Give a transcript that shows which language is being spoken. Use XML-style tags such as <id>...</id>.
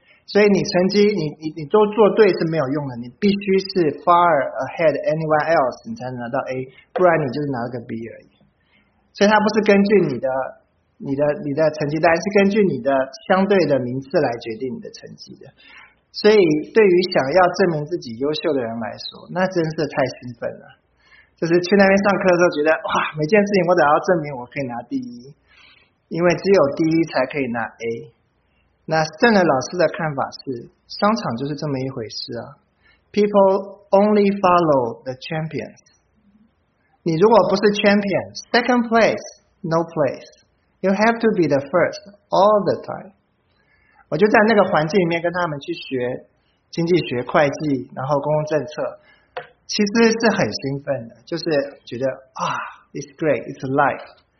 <zh>所以你成绩你都做对是没有用的，你必须是</zh> <en>far ahead anyone else</en> <zh>你才能拿到 A， 不然你就是拿个 B 而已，所以它不是根据你的成绩单，是根据你的相对的名次来决定你的成绩的。所以对于想要证明自己优秀的人来说，那真是太兴奋了。就是去那边上课的时候觉得，哇，每件事情我都要证明我可以拿第一，因为只有第一才可以拿 A。那圣人老师的看法是，商场就是这么一回事啊，</zh> <en>People only follow the champions，</en> <zh>你如果不是 champion，</zh> <en>second place no place， You have to be the first all the time。</en> <zh>我就在那个环境里面跟他们去学经济学、会计，然后公共政策，其实是很兴奋的，就是觉得啊 ，</zh> <en>it's great, it's life。</en>